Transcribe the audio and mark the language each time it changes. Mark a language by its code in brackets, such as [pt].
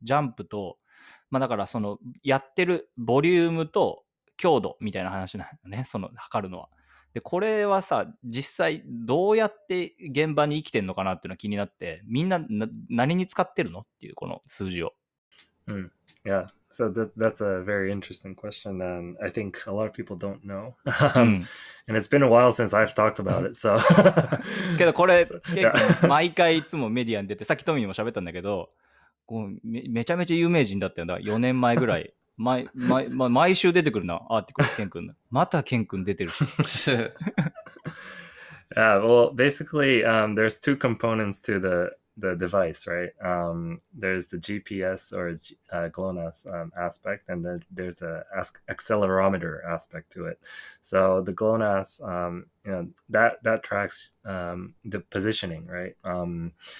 [ja] ジャンプと、まあだからそのやってるボリュームと強度みたいな話なのね、その測るのは。で、これはさ、実際どうやって現場に生きてんのかなっていうのは気になって、みんな何に使ってるのっていうこの数字を。うん。Yeah. [en] So that's a very interesting question, and I think a lot of people don't know. And it's been a while since I've talked about it. So. [ja] けどこれ結構毎回いつもメディアに出て、さっきトミーにも喋ったんだけど、こう めちゃめちゃ有名人だったんだ。4年前ぐらい。毎週出てくるな、アーティクル、ケン君。またケン君出てるし。 [en] Yeah, well, basically, there's two components to the device, right? There's the GPS or GLONASS aspect, and then there's an accelerometer aspect to it. So the GLONASS, that tracks the positioning, right?